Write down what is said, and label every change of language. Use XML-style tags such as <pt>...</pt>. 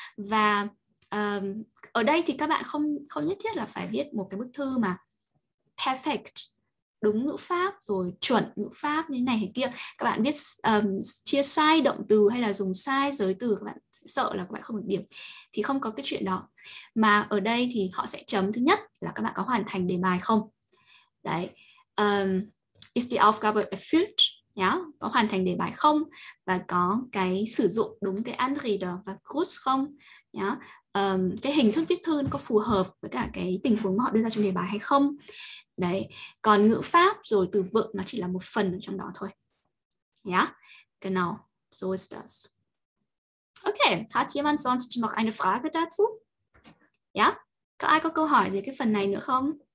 <vi>Và ở đây thì các bạn không nhất thiết là phải viết một cái bức thư mà perfect, đúng ngữ pháp rồi chuẩn ngữ pháp như này hay kia. Các bạn viết chia sai động từ hay là dùng sai giới từ, các bạn sợ là các bạn không được điểm thì không có cái chuyện đó. Mà ở đây thì họ sẽ chấm thứ nhất là các bạn có hoàn thành đề bài không.</vi> <de>Đấy, is the Aufgabe erfüllt?</de> <vi>Có hoàn thành đề bài không? Và có cái sử dụng đúng cái Anrede và Gruß không? Cái hình thức viết thư có phù hợp với cả cái tình huống mà họ đưa ra trong đề bài hay không? Đấy, còn ngữ pháp rồi từ vựng nó chỉ là một phần ở trong đó thôi.</vi> <de>Genau, so ist das. Okay, hat jemand sonst noch eine Frage dazu?</de> <vi>Có ai có câu hỏi về cái phần này nữa không?</vi>